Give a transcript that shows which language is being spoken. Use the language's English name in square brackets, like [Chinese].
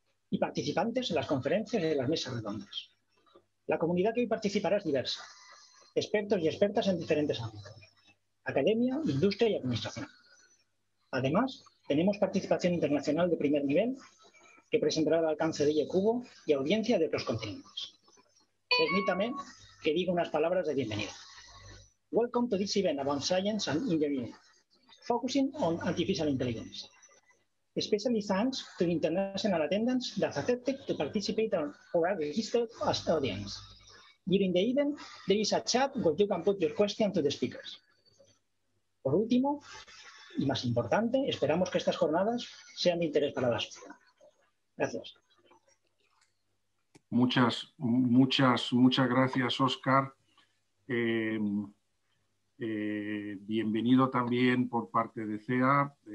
[Spanish] Y participantes en las conferencias y en las mesas redondas. La comunidad que hoy participará es diversa. Expertos y expertas en diferentes ámbitos. Academia, industria y administración. Además, tenemos participación internacional de primer nivel que presentará el alcance de IEQ y audiencia de otros continentes. Permítame que diga unas palabras de bienvenida. [English] Welcome to this event about science and engineering, focusing on artificial intelligence. Especially thanks to the international attendance that accepted to participate or are registered as audience. During the event, there is a chat where you can put your question to the speakers. [Spanish] Por último, y más importante, esperamos que estas jornadas sean de interés para la sociedad. Gracias. Muchas gracias, Óscar. Bienvenido también por parte de CEA.